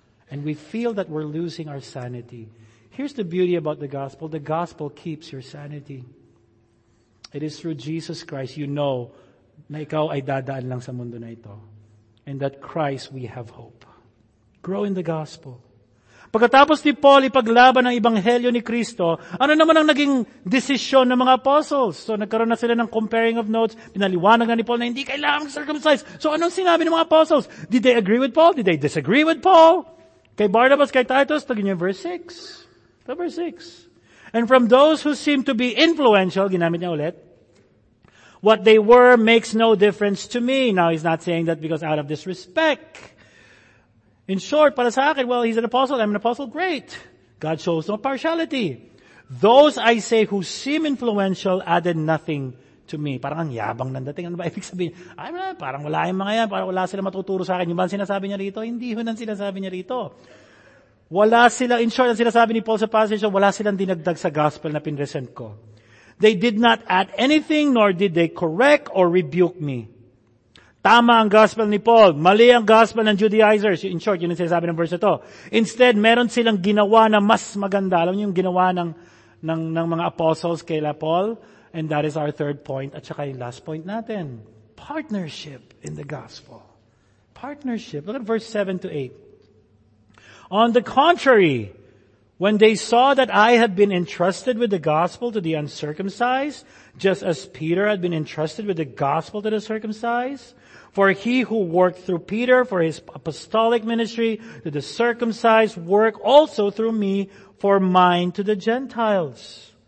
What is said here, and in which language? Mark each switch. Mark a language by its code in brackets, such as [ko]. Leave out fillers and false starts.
[en] And we feel that we're losing our sanity. Here's the beauty about the gospel keeps your sanity. It is through Jesus Christ you know [tl] na ikaw ay dadaan lang sa mundo na ito. [en] And that Christ, we have hope. Grow in the gospel. [tl] Pagkatapos ni Paul ipaglaban ang ebanghelyo ni Kristo, ano naman ang naging decision ng mga apostles? So nagkaroon na sila ng [en] comparing of notes, [tl] pinaliwanag na ni Paul na hindi kailangan circumcised. So anong sinabi ng mga apostles? [en] Did they agree with Paul? Did they disagree with Paul? [tl] Kay Barnabas, kay Titus, tagin niyo verse 6. [en] Verse 6. And from those who seem to be influential, [tl] ginamit niya ulit, [en] what they were makes no difference to me. Now he's not saying that because out of disrespect. In short, [tl] para sa akin, [en] well, he's an apostle, I'm an apostle, great. God shows no partiality. Those I say who seem influential added nothing to me. [tl] Parang ang yabang nandating. Ano ba ibig sabihin? Ay, parang wala yung mga yan. Parang wala sila matuturo sa akin. Yung ba ang sinasabi niya rito? Hindi yun ang sinasabi niya rito. Wala sila, in short, ang sinasabi ni Paul sa passage, wala silang dinagdag sa gospel na pinresent ko. [en] They did not add anything, nor did they correct or rebuke me. [tl] Tama ang gospel ni Paul. Mali ang gospel ng Judaizers. In short, yun ang sinasabi ng verse ito. Instead, meron silang ginawa na mas maganda. Alam niyo yung ginawa ng mga apostles kay Paul? [en] And that is our third point [tl] at saka yung last point natin. [en] Partnership in the gospel. Partnership. Look at verse 7 to 8. On the contrary, when they saw that I had been entrusted with the gospel to the uncircumcised, just as Peter had been entrusted with the gospel to the circumcised, for he who worked through Peter for his apostolic ministry to the circumcised work also through me for mine to the Gentiles.